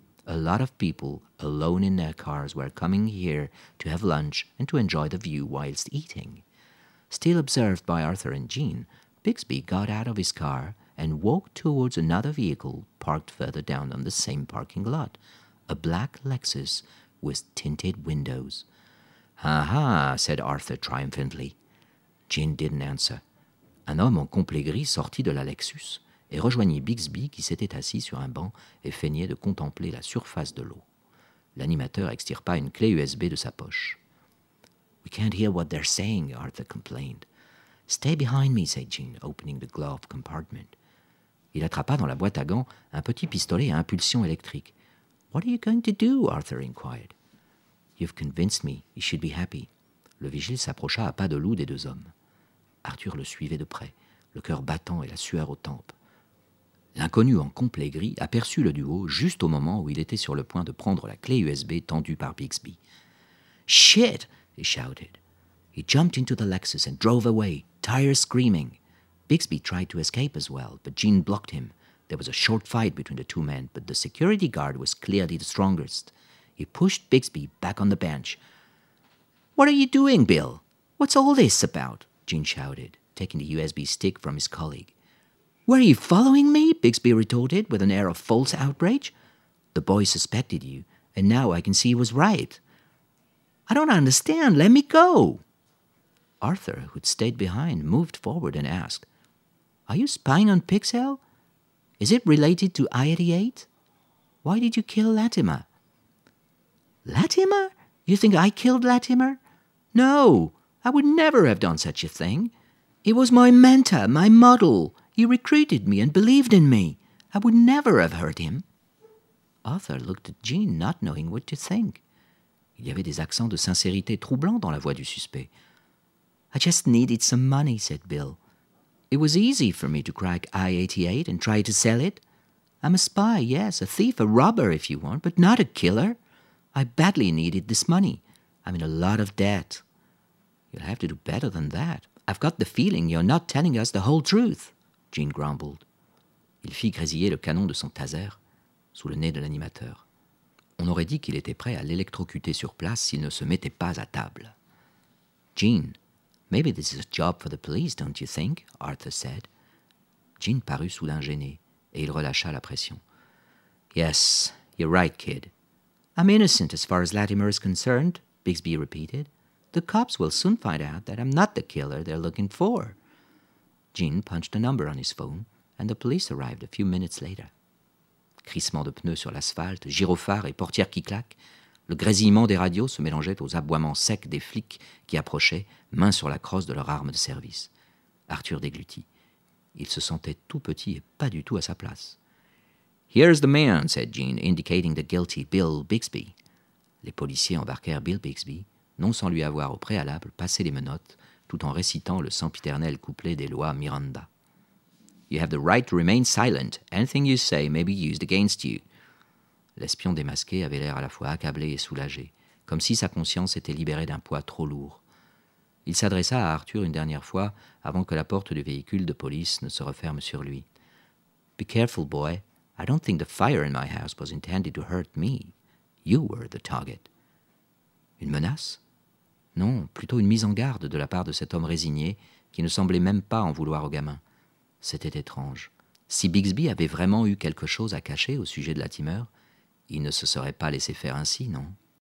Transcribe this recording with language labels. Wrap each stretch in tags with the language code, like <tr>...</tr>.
<en>A lot of people, alone in their cars, were coming here to have lunch and to enjoy the view whilst eating. Still observed by Arthur and Jean, Bixby got out of his car and walked towards another vehicle parked further down on the same parking lot, a black Lexus with tinted windows. Aha, said Arthur triumphantly. Jean didn't answer.</en> <fr>Un homme en complet gris sortit de la Lexus et rejoignit Bixby qui s'était assis sur un banc et feignait de contempler la surface de l'eau. L'animateur extirpa une clé USB de sa poche.</fr> <en>We can't hear what they're saying, Arthur complained. Stay behind me, said Jean, opening the glove compartment.</en> <fr>Il attrapa dans la boîte à gants un petit pistolet à impulsion électrique.</fr> <en>What are you going to do? Arthur inquired. You've convinced me. He should be happy.</en> <fr>Le vigile s'approcha à pas de loup des deux hommes. Arthur le suivait de près, le cœur battant et la sueur aux tempes. L'inconnu en complet gris aperçut le duo juste au moment où il était sur le point de prendre la clé USB tendue par Bixby.</fr> <en>« Shit !» he shouted. He jumped into the Lexus and drove away, tires screaming. Bixby tried to escape as well, but Gene blocked him. There was a short fight between the two men, but the security guard was clearly the strongest. He pushed Bixby back on the bench. What are you doing, Bill? What's all this about? Gene shouted, taking the USB stick from his colleague. Were you following me? Bixby retorted with an air of false outrage. The boy suspected you, and now I can see he was right. I don't understand. Let me go. Arthur, who'd stayed behind, moved forward and asked, Are you spying on Pixel? Is it related to I-88? Why did you kill Latimer? Latimer? You think I killed Latimer? No, I would never have done such a thing. He was my mentor, my model. He recruited me and believed in me. I would never have hurt him. Arthur looked at Jean, not knowing what to think.</en> <fr>Il y avait des accents de sincérité troublants dans la voix du suspect.</fr> <en>I just needed some money, said Bill. It was easy for me to crack I-88 and try to sell it. I'm a spy, yes, a thief, a robber if you want, but not a killer. I badly needed this money. I'm in a lot of debt. You'll have to do better than that. I've got the feeling you're not telling us the whole truth, Jean grumbled.</en> <fr>Il fit grésiller le canon de son taser sous le nez de l'animateur. On aurait dit qu'il était prêt à l'électrocuter sur place s'il ne se mettait pas à table.</fr> <en>Jean, maybe this is a job for the police, don't you think? Arthur said.</en> <fr>Jean parut soudain gêné et il relâcha la pression.</fr> <en>Yes, you're right, kid. I'm innocent as far as Latimer is concerned, Bixby repeated. The cops will soon find out that I'm not the killer they're looking for. Jean punched a number on his phone, and the police arrived a few minutes later.</en> <fr>Crissement de pneus sur l'asphalte, gyrophares et portières qui claquent, le grésillement des radios se mélangeait aux aboiements secs des flics qui approchaient, mains sur la crosse de leur arme de service. Arthur déglutit. Il se sentait tout petit et pas du tout à sa place.</fr> <en>Here's the man, said Jean, indicating the guilty Bill Bixby.</en> <fr>Les policiers embarquèrent Bill Bixby, non sans lui avoir au préalable passé les menottes, tout en récitant le sempiternel couplet des lois Miranda.</fr> <en>You have the right to remain silent. Anything you say may be used against you.</en> <fr>L'espion démasqué avait l'air à la fois accablé et soulagé, comme si sa conscience était libérée d'un poids trop lourd. Il s'adressa à Arthur une dernière fois avant que la porte du véhicule de police ne se referme sur lui.</fr> <en>Be careful, boy. I don't think the fire in my house was intended to hurt me. You were the target.</en> <fr>Une menace? Non, plutôt une mise en garde de la part de cet homme résigné qui ne semblait même pas en vouloir au gamin. C'était étrange. Si Bixby avait vraiment eu quelque chose à cacher au sujet de Latimer, il ne se serait pas laissé faire ainsi, non ?</fr>